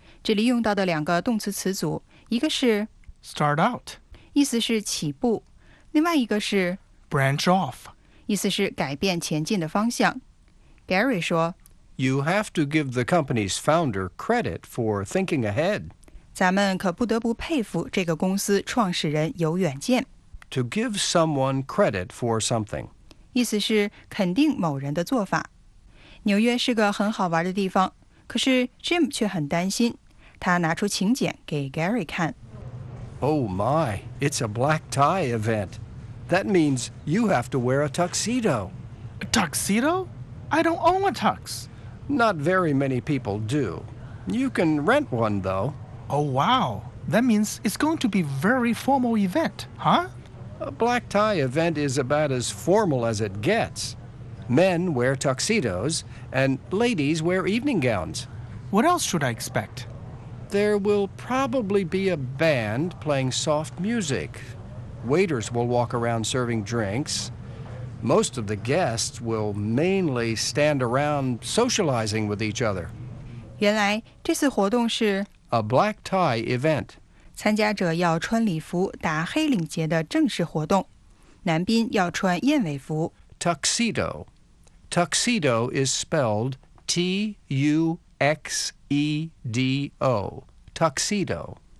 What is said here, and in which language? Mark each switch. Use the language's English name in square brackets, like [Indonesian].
[Chinese] 这里用到的两个动词词组，一个是 [English] start out， [Chinese] 意思是起步；另外一个是 [English] branch off， [Chinese] 意思是改变前进的方向。 Gary 说 [English] You have to give the company's founder credit for thinking ahead. [Chinese] 咱们可不得不佩服这个公司创始人有远见。 [English] To give someone credit for something. [Chinese] 意思是肯定某人的做法。纽约是个很好玩的地方，可是 Jim 却很担心。他拿出请柬给 Gary 看。 [English] Oh my, it's a black tie event. That means you have to wear a tuxedo. A tuxedo? I don't own a tux. Not very many people do. You can rent one, though. Oh, wow. That means it's going to be a very formal event, huh? A black tie event is about as formal as it gets. Men wear tuxedos, and ladies wear evening gowns. What else should I expect? There will probably be a band playing soft music. Waiters will walk around serving drinks. Most of the guests will mainly stand around socializing with each other. [Chinese] 原来这次活动是 [English] a black tie event. [Chinese] 参加者要穿礼服打黑领结的正式活动。男宾要穿燕尾服。 [English] Tuxedo. Tuxedo is spelled T-U-X-E-D-O. Tuxedo.